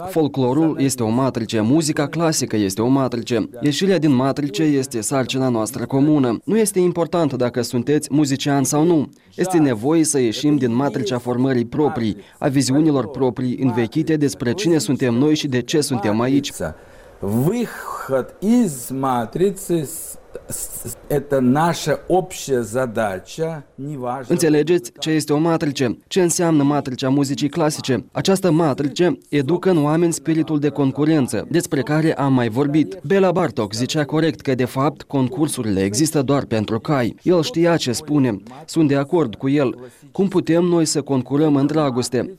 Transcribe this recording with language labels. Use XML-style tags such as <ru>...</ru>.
<ro>Folclorul este o matrice, muzica clasică este o matrice. Ieșirea din matrice este sarcina noastră comună. Nu este important dacă sunteți muzician sau nu. Este nevoie să ieșim din matricea formării proprii, a viziunilor proprii învechite despre cine suntem noi și de ce suntem aici.</ro> <ru>Выход из матрицы это наша общая задача.</ru> <ro>Înțelegeți ce este o matrice? Ce înseamnă matricea muzicii clasice? Această matrice educă în oameni spiritul de concurență, despre care am mai vorbit. Béla Bartók zicea corect că, de fapt, concursurile există doar pentru cai. El știa ce spune. Sunt de acord cu el. Cum putem noi să concurăm în dragoste?</ro>